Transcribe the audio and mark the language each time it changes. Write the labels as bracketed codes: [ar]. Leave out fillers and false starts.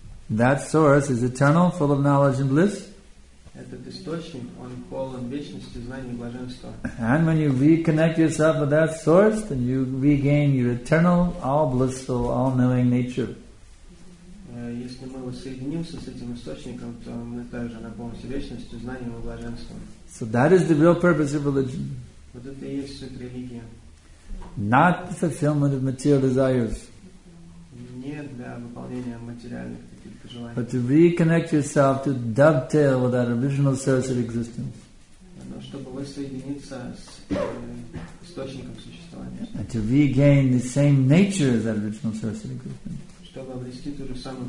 [en] That source is eternal, full of knowledge and bliss. [ru] Этот источник, он полон вечности, знаний и блаженства. [en] And when you reconnect yourself with that source, then you regain your eternal, all blissful, all knowing nature. [ru] Если мы воссоединимся с этим источником, то мы также наполнимся вечностью, знанием и блаженством. [en] So that is the real purpose of religion. [ru] Вот это и есть суть религии. [en] Not the fulfillment of material desires. [ru] Не для выполнения материальных. [en] But to reconnect yourself, to dovetail with that original source of existence. And to regain the same nature as that original source of existence.